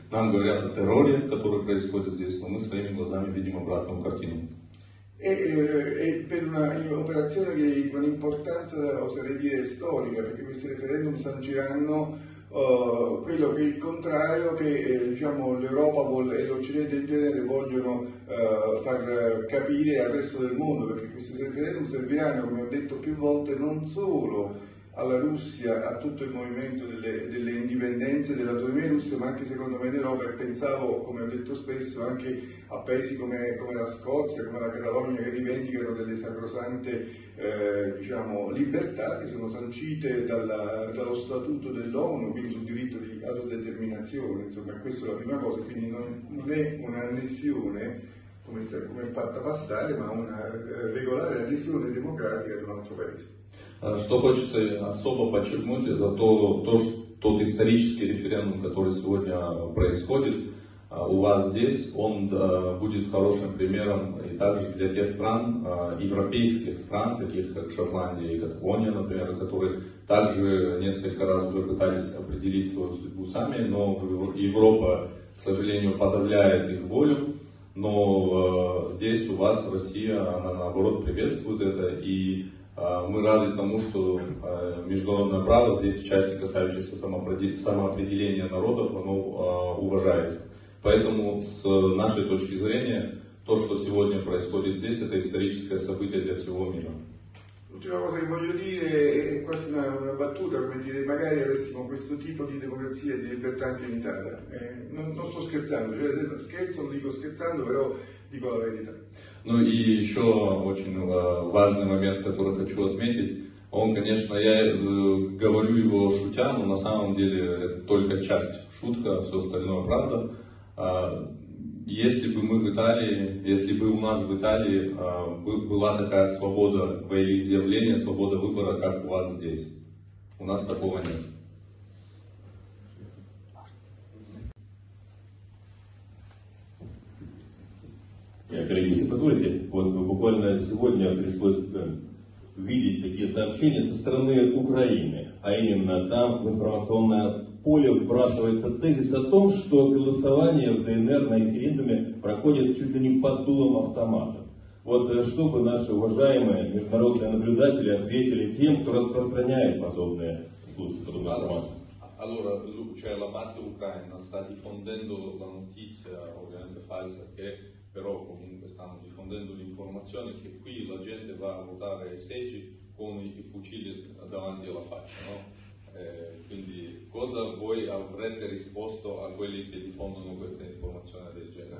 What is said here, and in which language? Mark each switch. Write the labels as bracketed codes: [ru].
[ru] Нам говорят о терроре, который происходит здесь, но мы своими глазами видим обратную картину. [it] E per una operazione che ha un'importanza, oserei dire, storica, perché questi referendum sanciranno quello che è il contrario che diciamo l'Europa vuole e l'Occidente in genere vogliono far capire al resto del mondo, perché questi referendum serviranno, come ho detto più volte, non solo alla Russia, a tutto il movimento delle indipendenze, dell'autonomia russa, ma anche secondo me l'Europa, e pensavo, come ho detto spesso, anche a paesi come la Scozia, come la Catalogna, che rivendicano delle sacrosante diciamo, libertà che sono sancite dallo statuto dell'ONU, quindi sul diritto di autodeterminazione, insomma, questa è la prima cosa, quindi non è un'annessione, come è fatta passare, ma una regolare annessione democratica di un altro paese. [ru] Что хочется особо подчеркнуть, это тот исторический референдум, который сегодня происходит у вас здесь, он будет хорошим примером и также для тех стран, европейских стран, таких как Шотландия и Каталония, например, которые также несколько раз уже пытались определить свою судьбу сами, но Европа, к сожалению, подавляет их волю. Но здесь у вас, Россия, она наоборот приветствует это, и мы рады тому, что международное право здесь в части, касающейся самоопределения народов, оно уважается. Поэтому с нашей точки зрения, то, что сегодня происходит здесь, это историческое событие для всего мира. [it] Ultima cosa che voglio dire è quasi una battuta, come dire, magari avessimo questo tipo di democrazia e di libertà anche in Italia. Non sto scherzando, cioè se scherzo non dico scherzando, però dico la verità. [ru] Ну и еще очень важный момент, который хочу отметить. Он, конечно, я говорю его шутя, но на самом деле это только часть шутка, все остальное правда. Если бы мы в Италии, если бы у нас в Италии была такая свобода волеизъявления, свобода выбора, как у вас здесь, у нас такого нет. Я коллеги, если позволите, вот буквально сегодня пришлось видеть такие сообщения со стороны Украины, а именно там в информационное поле вбрасывается тезис о том, что голосование в ДНР на референдуме проходит чуть ли не под дулом автомата. Вот что бы наши уважаемые международные наблюдатели ответили тем, кто распространяет подобные слухи, подобную информацию? [it] Allora, cioè la parte ucraina sta diffondendo la notizia, ovviamente falsa, che però comunque stanno diffondendo l'informazione che qui la gente va a votare ai seggi con i fucili davanti alla faccia, no? Quindi cosa voi avrete risposto a quelli che diffondono questa informazione del genere?